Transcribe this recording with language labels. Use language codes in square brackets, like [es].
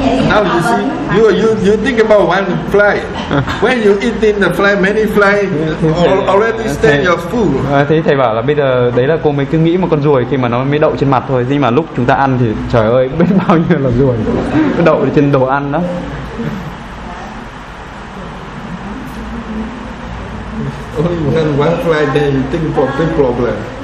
[en] Now you see, you think about one fly. When you eating the fly, many fly already stain your food. [vi] Thế thầy bảo là bây giờ đấy là cô mới cứ nghĩ một con ruồi khi mà nó mới đậu trên mặt thôi. Nhưng mà lúc chúng ta ăn thì trời ơi biết bao nhiêu là ruồi đậu trên đồ ăn đó. [en] Only one fly, then you think for big problem.